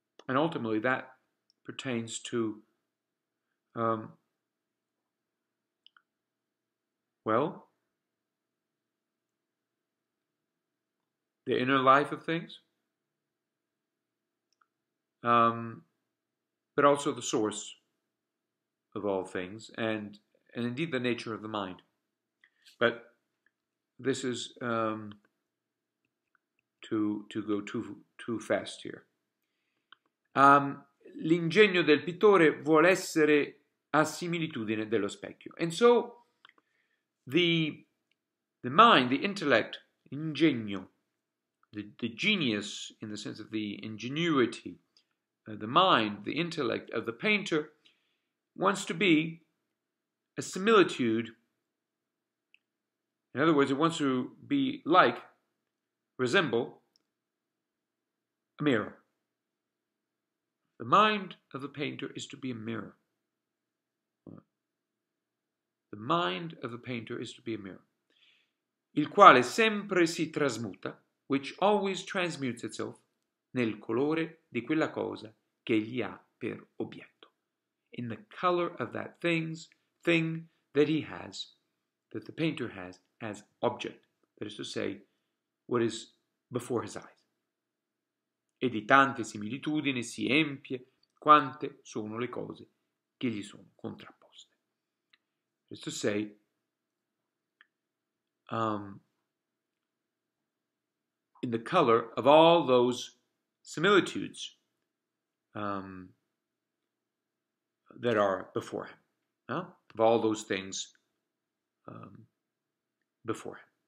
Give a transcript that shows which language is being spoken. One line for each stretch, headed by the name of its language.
English: And ultimately, that pertains to, the inner life of things, but also the source of all things, and indeed the nature of the mind. But this is to go too fast here.
Italian: L'ingegno del pittore vuol essere a similitudine dello specchio.
English: And so the mind, the intellect, ingegno, the genius in the sense of the ingenuity, the mind, the intellect of the painter wants to be a similitude. In other words, it wants to be like, resemble a mirror. The mind of the painter is to be a mirror. The mind of the painter is to be a mirror.
Italian: Il quale sempre si trasmuta,
English: which always transmutes itself,
Italian: nel colore di quella cosa che gli ha per obietto.
English: In the color of that thing that he has, that the painter has as object. That is to say, what is before his eyes.
Italian: E di tante similitudini si empie quante sono le cose che gli sono contrapposte.
English: That is to say, in the color of all those similitudes that are before him. Huh? Of all those things before him.